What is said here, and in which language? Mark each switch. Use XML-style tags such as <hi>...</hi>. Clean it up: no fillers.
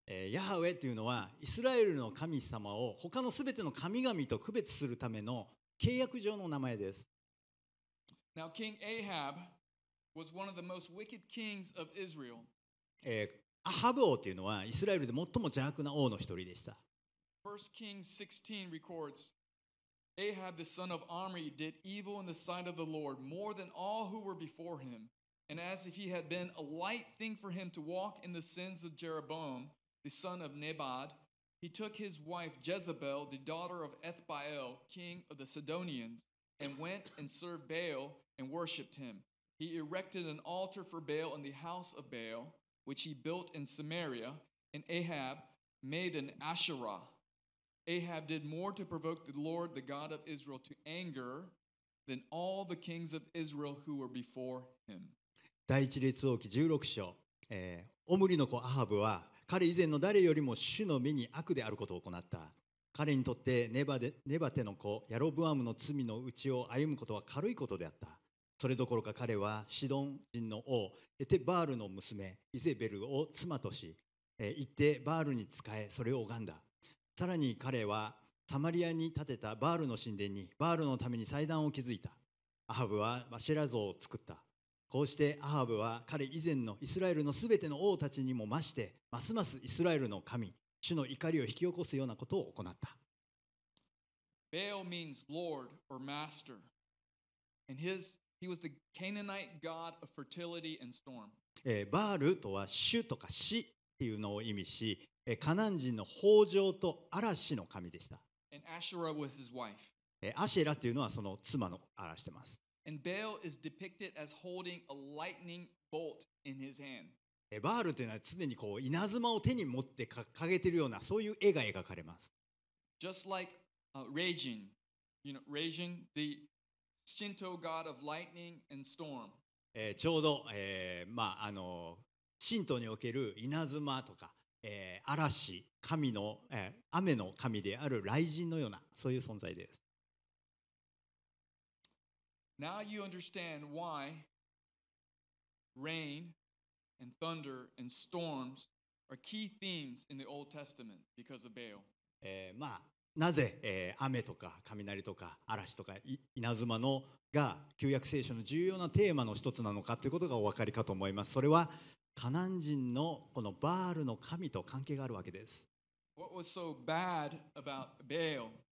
<ja>ヤハウェっていうのはイスラエルの神様を他のすべての神々と区別するための契約上の名前です。</ja> <en>Now King Ahab was one of the most wicked kings of Israel.</en> <ja>アハブ王というのはイスラエルで最も邪悪な王の一人でした。</ja> <en>1 Kings 16 records, Ahab the son of Omri did evil in the sight of the Lord more than all who were before him. And as if he had been a light thing for him to walk in the sins of Jeroboam, the son of Nebat, he took his wife Jezebel, the daughter of Ethbaal, king of the Sidonians, and went and served Baal and worshipped him. He erected an altar for Baal in the house of Baal. Which he built in Samaria, and Ahab made an Asherah. Ahab did more to provoke the Lord, the God of Israel, to anger than all the kings of Israel who were before him.</en> <ja>第一列王記16章、オムリの子アハブは彼以前の誰よりも主の目に悪であることを行った。彼にとってネバテの子ヤロブアムの罪の内を歩むことは軽いことであった。それどころか彼はシドン人の王エテバールの娘イゼベルを妻とし行ってバールに仕えそれを拝んださらに彼はサマリアに建てたバールの神殿にバールのために祭壇を築いたアハブはアシェラ像を作ったこうしてアハブは彼以前のイスラエルのすべての王たちにも増してますますイスラエルの神主の怒りを引き起こすようなことを行った</ja> <en>ベール means Lord or Master and hisHe was the Canaanite god of fertility and storm.</en> <ja>バールとは主とか死っていうのを意味し、カナン人の豊穣と嵐の神でした。</ja> <en>And Asherah was his wife.</en> <ja>アシェラっていうのはその妻の表してます。</ja> <en>And Baal is depicted as holding a lightning bolt in his hand.</en> <ja>バールというのは常にこう稲妻を手に持って掲げているようなそういう絵が描かれます。</ja> <en>just like Reijin, you know, Reijin, the Shinto god of lightning and storm.</en> <ja>ちょうど、まあ、あの神道における稲妻とか、嵐、神の、雨の神である雷神のようなそういう存在です。</ja> <en>Now you understand why rain and thunder and storms are key themes in the Old Testament because of Baal.</en> <ja>まあなぜ、雨とか雷とか嵐とか稲妻のが旧約聖書の重要なテーマの一つなのかということがお分かりかと思います。それはカナン人のこのバールの神と関係があるわけです。</ja> <en>What was so bad about Baal?</en>